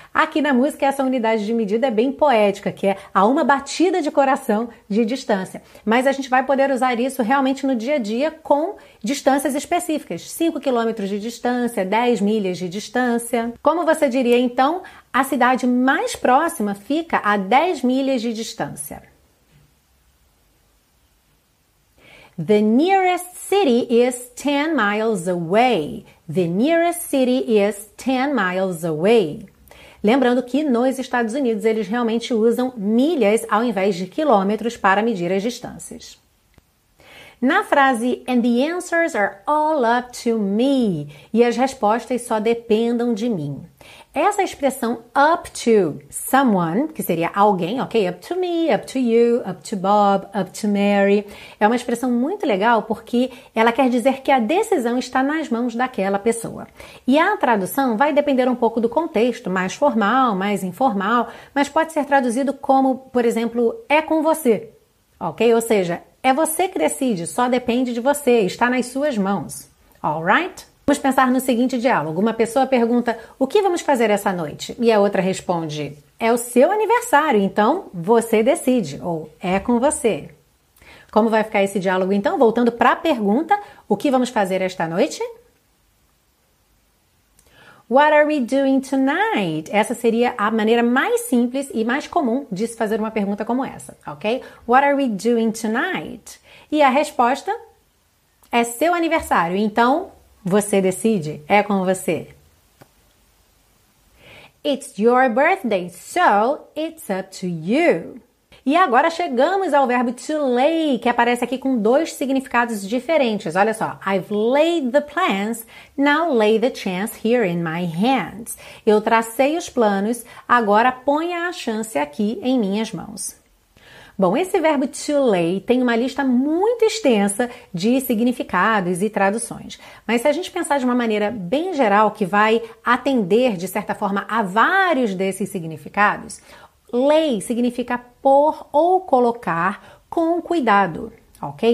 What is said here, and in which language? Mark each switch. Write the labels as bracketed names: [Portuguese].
[Portuguese] Aqui na música essa unidade de medida é bem poética, que é a uma batida de coração de distância. Mas a gente vai poder usar isso realmente no dia a dia com distâncias específicas. 5 quilômetros de distância, 10 milhas de distância. Como você diria então, a cidade mais próxima fica a 10 milhas de distância. [English] The nearest city is 10 miles away. The nearest city is 10 miles away. [Portuguese] Lembrando que nos Estados Unidos eles realmente usam milhas ao invés de quilômetros para medir as distâncias. Na frase [English] And the answers are all up to me. [Portuguese] E as respostas só dependam de mim. Essa expressão up to someone, que seria alguém, ok? [English] Up to me, up to you, up to Bob, up to Mary. [Portuguese] É uma expressão muito legal porque ela quer dizer que a decisão está nas mãos daquela pessoa. E a tradução vai depender um pouco do contexto, mais formal, mais informal, mas pode ser traduzido como, por exemplo, é com você, ok? Ou seja, é você que decide, só depende de você, está nas suas mãos, all right? Vamos pensar no seguinte diálogo. Uma pessoa pergunta, o que vamos fazer essa noite? E a outra responde, é o seu aniversário, então você decide, ou é com você. Como vai ficar esse diálogo então? Voltando para a pergunta, o que vamos fazer esta noite? [English] What are we doing tonight? [Portuguese] Essa seria a maneira mais simples e mais comum de se fazer uma pergunta como essa, ok? [English] What are we doing tonight? [Portuguese] E a resposta é seu aniversário, então você decide, é com você. [English] It's your birthday, so it's up to you. [Portuguese] E agora chegamos ao verbo to lay, que aparece aqui com dois significados diferentes. Olha só, [English] I've laid the plans, now lay the chance here in my hands. [Portuguese] Eu tracei os planos, agora ponha a chance aqui em minhas mãos. Bom, esse verbo to lay tem uma lista muito extensa de significados e traduções. Mas se a gente pensar de uma maneira bem geral, que vai atender, de certa forma, a vários desses significados, lay significa pôr ou colocar com cuidado, ok?